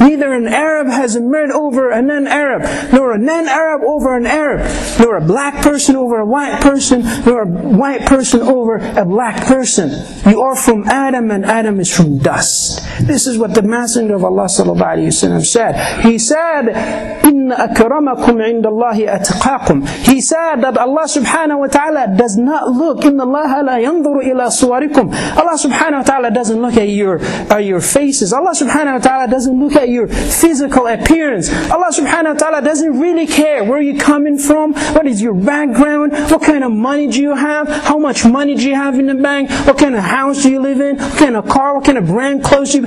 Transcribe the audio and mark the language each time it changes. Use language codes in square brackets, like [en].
[en] Neither an Arab has a merit over a non-Arab, nor a non-Arab over an Arab, nor a black person over a white person, nor a white person over a black person. You are from Adam, and Adam is from dust. This is what the Messenger of Allah sallallahu alayhi wa sallam said. He said, [ar] إِنَّ أَكْرَمَكُمْ عِنْدَ اللَّهِ أَتْقَاكُمْ. [en] He said that Allah subhanahu wa ta'ala does not look, [ar] إِنَّ اللَّهَ لَا يَنْظُرُ إِلَى صُوَرِكُمْ. [en] Allah subhanahu wa ta'ala doesn't look at your faces. Allah subhanahu wa ta'ala doesn't look at your physical appearance. Allah subhanahu wa ta'ala doesn't really care where you're coming from, what is your background, what kind of money do you have, how much money do you have in the bank, what kind of house do you live in, what kind of car, what kind of brand clothes do you...